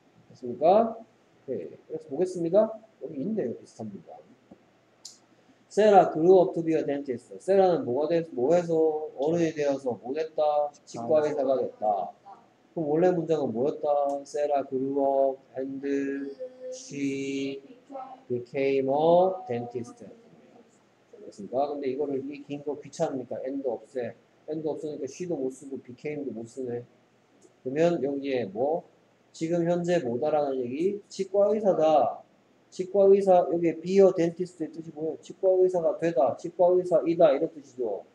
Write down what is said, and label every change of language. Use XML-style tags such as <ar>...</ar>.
<ko>됐습니까? 네. 그래서 보겠습니다. 여기 있네요. 비슷한 부분.</ko> <en>Sarah grew up to be a dentist. Sarah는</en> <ko>뭐해서 어른이 되어서 뭐 됐다? 치과 의사가 됐다. 그럼 원래 문장은 뭐였다?</ko> <en>Sarah grew up and she became a dentist.</en> <ko>됐습니까? 근데 이거를 이 긴 거 귀찮으니까 end 없애. end 없으니까 she도 못 쓰고 became도 못 쓰네. 그러면 여기에 뭐? 지금 현재 뭐다라는 얘기? 치과의사다. 치과의사, 여기에</ko> <en>be a dentist</en> <ko>의 뜻이 뭐예요? 치과의사가 되다, 치과의사이다 이런 뜻이죠.</ko>